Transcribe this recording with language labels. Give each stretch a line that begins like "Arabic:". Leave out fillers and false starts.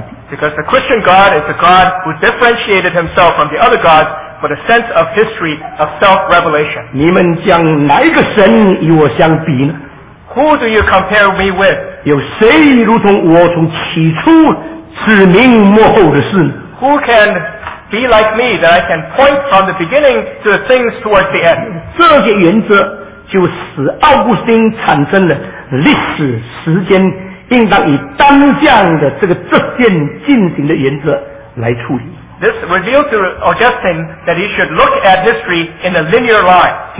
English: Because the Christian God is a God who differentiated himself from the other gods for the sense of history of self-revelation.
Chinese: 你们将哪一个神与我相比呢?
English: Who do you compare me with?
Chinese: 有谁如同我从起初指明末后的事呢?
English: Who can be like me that I can point from the beginning to the things towards the end?
Chinese: 这些原则 就使奥古斯丁产生了历史时间应当以单向的这个直线进行的原则来处理。
English: This revealed to Augustine that he should look at history in a linear line.